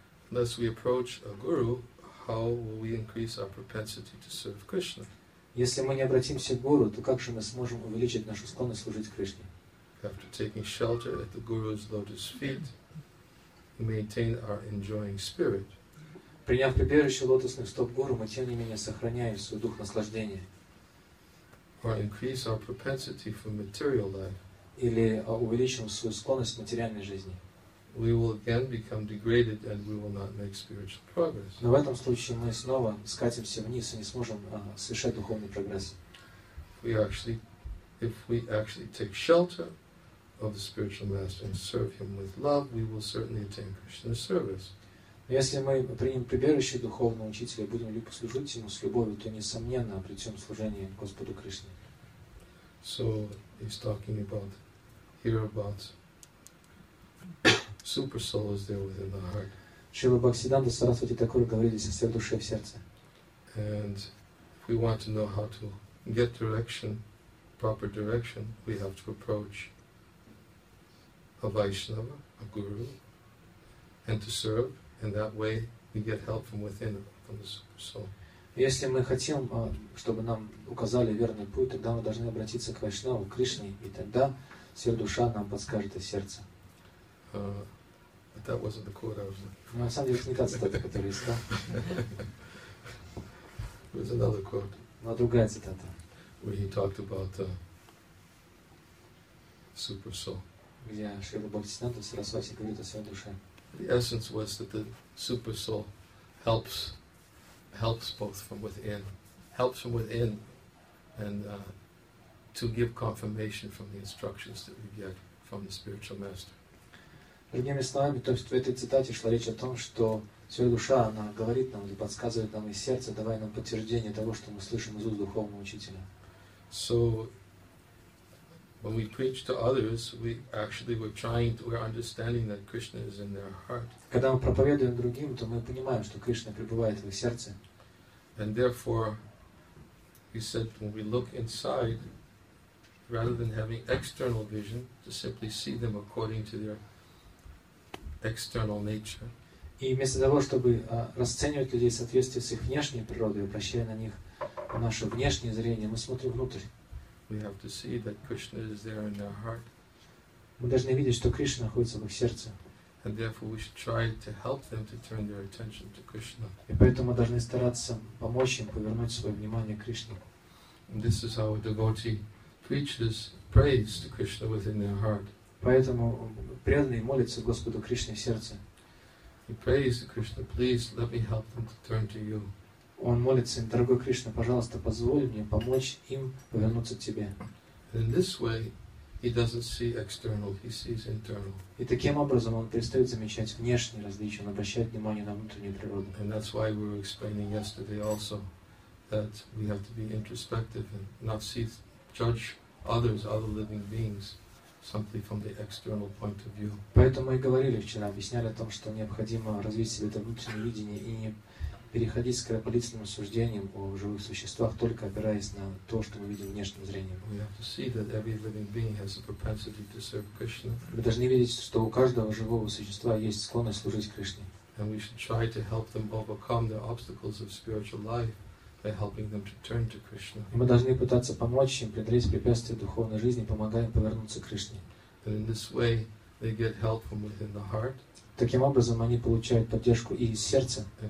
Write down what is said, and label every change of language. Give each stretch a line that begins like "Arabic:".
English: Unless we approach a guru, how will we increase our propensity to serve Krishna?
Russian: Если мы не обратимся к гуру, то как же мы сможем увеличить нашу склонность служить Кришне?
English: After taking shelter at the guru's lotus feet, we maintain our enjoying spirit.
Russian: Приняв прибежище лотосных стоп гуру, мы тем не менее сохраняем свой дух наслаждения.
English: Or increase our propensity for material life.
Russian: Или увеличим свою склонность к материальной жизни.
English: We will again become degraded, and we will not make spiritual progress.
Russian: Но в этом случае мы снова скатимся вниз и не сможем совершать духовный прогресс.
English: If we actually take shelter of the spiritual master and serve him with love, we will certainly attain Krishna's service.
Russian: Если мы примем прибежище духовного учителя и будем служить ему с любовью, то несомненно обретем служение Господу Кришне.
English: So he's talking about here about super soul is there within the heart.
Russian: Шрила Бхактисиддханта Сарасвати Такур говорит здесь о сверхдуше в сердце.
English: And if we want to know how to get direction, proper direction, we have to approach a Vaishnava, a Guru, and to serve, and that way we get help from within, from the super soul.
Russian: Если мы хотим, чтобы нам указали верный путь, тогда мы должны обратиться к Вайшнаву, к Кришне, и тогда сверхдуша нам подскажет из сердца.
English: But that wasn't the quote I was looking
Russian: for. На самом деле, это не та цитата, которую я искал.
English: It was another quote.
Russian: Но другая цитата.
English: Where he talked about super soul.
Russian: Где Шрила Бхактисиддханта Сарасвати говорит о своей душе.
English: The essence was that the super soul helps both from within, helps from within, and to give confirmation from the instructions that we get from the spiritual master.
Russian: Другими словами, то есть в этой цитате шла речь о том, что Святая Душа, она говорит нам или подсказывает нам из сердца, давая нам подтверждение того, что мы слышим из уст Духовного Учителя.
English: So, when we preach to others, we actually we're trying to, we're understanding that Krishna is in their heart.
Russian: Когда мы проповедуем другим, то мы понимаем, что Кришна пребывает в их сердце.
English: And therefore, he said, when we look inside, rather than having external vision, to simply see them according to their external nature.
Russian: И вместо того, чтобы расценивать людей в соответствии с их внешней природой, обращая на них наше внешнее зрение, мы смотрим внутрь.
English: We have to see that Krishna is there in our heart.
Russian: Мы должны видеть, что Кришна находится в их сердце.
English: And therefore, we should try to help them to turn their attention to Krishna.
Russian: И поэтому мы должны стараться помочь им повернуть свое внимание к Кришне.
English: And this is how a devotee preaches, prays to Krishna within their heart.
Russian: Поэтому преданный молится Господу Кришне в сердце.
English: He prays to Krishna, please let me help them to turn to you.
Russian: Он молится им, дорогой Кришна, пожалуйста, позволь мне помочь им повернуться к Тебе.
English: In this way, he doesn't see external, he sees internal.
Russian: И таким образом он перестает замечать внешние различия, он обращает внимание на внутреннюю природу.
English: And that's why we were explaining yesterday also that we have to be introspective and not see, judge others, other living beings, simply from the external point of view.
Russian: Поэтому мы говорили вчера, объясняли о том, что необходимо развить себе это внутреннее видение и не переходить скоропалительным суждением о живых существах, только опираясь на то, что мы видим внешним зрением.
English: We have to see that every living being has a propensity to serve Krishna.
Russian: Мы должны видеть, что у каждого живого существа есть склонность служить Кришне.
English: And we should try to help them overcome the obstacles of spiritual life by helping them to turn to Krishna.
Russian: И мы должны пытаться помочь им преодолеть препятствия духовной жизни, помогая им повернуться к Кришне.
English: And in this way, they get help from within the heart.
Russian: Таким образом, они получают поддержку и из сердца.